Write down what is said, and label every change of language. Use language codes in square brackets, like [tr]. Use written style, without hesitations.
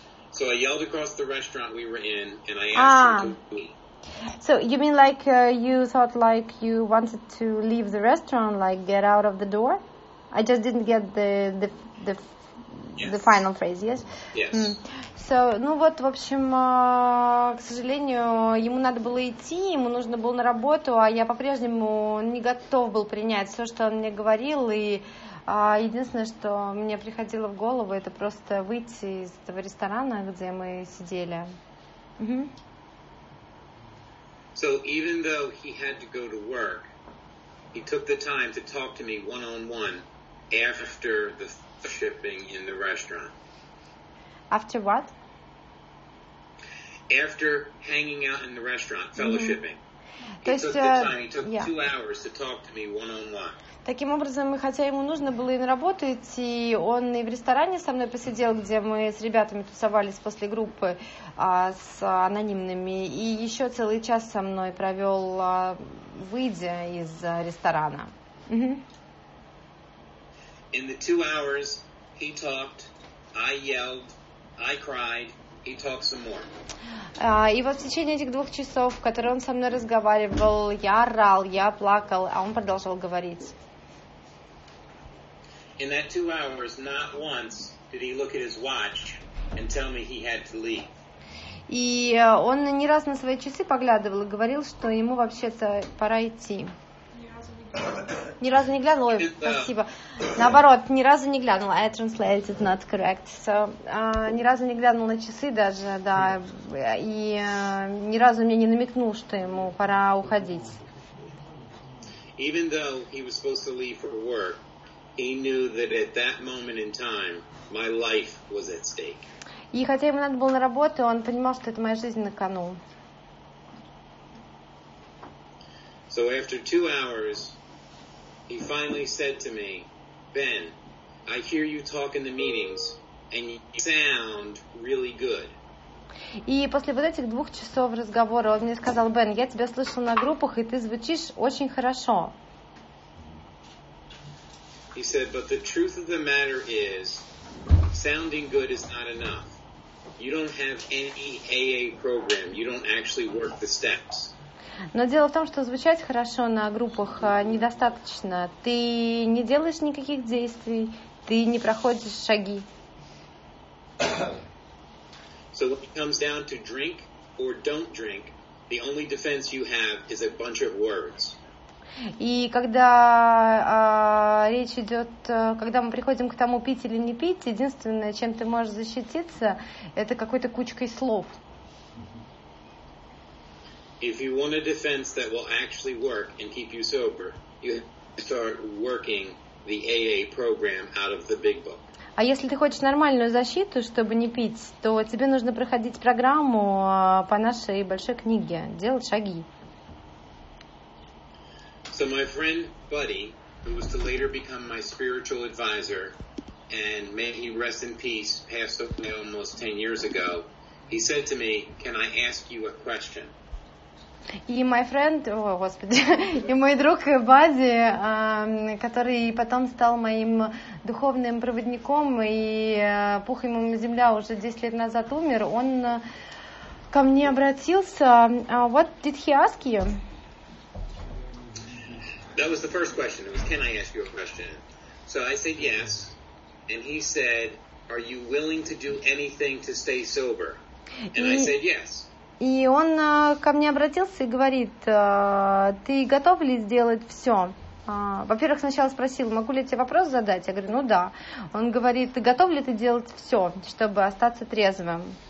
[en] So I yelled across the restaurant we were in, and I asked him to leave. So you mean like you thought like you wanted to leave the restaurant, like get out of the door? I just didn't get the final phrase, yes? Yes. Mm. [ru] So, ну вот, в общем, к сожалению, ему надо было идти, ему нужно было на работу, а я по-прежнему не готов был принять все, что он мне говорил, и единственное, что мне приходило в голову, это просто выйти из этого ресторана, где мы сидели. Mm-hmm. [en] So, even though he had to go to work, he took the time to talk to me one-on-one after the shipping in the restaurant. After what? After hanging out in the restaurant, fellowshipping. [ru] То есть, [en] Two hours to talk to me one-on-one. [ru] Таким образом, хотя ему нужно было и на работу идти, он и в ресторане со мной посидел, где мы с ребятами тусовались после группы с анонимными, и еще целый час со мной провел, выйдя из ресторана. [en] In the 2 hours, he talked, I yelled, I cried, he talked some more. [ru] И вот в течение этих 2 часов, в которые он со мной разговаривал, я орал, я плакал, а он продолжал говорить. [en] In that 2 hours, not once did he look at his watch and tell me he had to leave. [ru] И он не раз на свои часы поглядывал и говорил, что ему вообще-то пора идти. Ни разу не глянул. Ой, спасибо. Наоборот, ни разу не глянул. [en] I translated not correct. [ru] So, ни разу не глянул на часы даже, да. И ни разу мне не намекнул, что ему пора уходить. [en] Even though he was supposed to leave for work, he knew that at that moment in time, my life was at stake. [ru] И хотя ему надо было на работу, он понимал, что это моя жизнь на кону. [en] So after 2 hours, he finally said to me, Ben, I hear you talk in the meetings, and you sound really good. [ru] И после вот этих 2 часов разговора он мне сказал, Бен, я тебя слышал на группах, и ты звучишь очень хорошо. [en] He said, but the truth of the matter is, sounding good is not enough. You don't have any AA program. You don't actually work the steps. [ru] Но дело в том, что звучать хорошо на группах недостаточно. Ты не делаешь никаких действий, ты не проходишь шаги. [en] So when it comes down to drink or don't drink, the only defense you have is a bunch of words. [ru] И когда речь идет, когда мы приходим к тому, пить или не пить, единственное, чем ты можешь защититься, это какой-то кучкой слов. [en] If you want a defense that will actually work and keep you sober, you start working the AA program out of the big book. [ru] А если ты хочешь нормальную защиту, чтобы не пить, то тебе нужно проходить программу по нашей большой книге, делать шаги. [en] So my friend Buddy, who was to later become my spiritual advisor, and may he rest in peace, passed away almost 10 years ago, he said to me, "Can I ask you a question?" [ru] И мой [en] friend, [ru] о господи, и мой друг Бадди, который потом стал моим духовным проводником, и пух ему земля уже 10 лет назад умер, он ко мне обратился. [en] What did he ask you? That was the first question. It was, can I ask you a question? So I said yes, and he said, are you willing to do anything to stay sober? And I said yes. [ru] И он ко мне обратился и говорит, ты готов ли сделать все? Во-первых, сначала спросил, могу ли я тебе вопрос задать? Я говорю, ну да. Он говорит, ты готов ли ты делать все, чтобы остаться трезвым?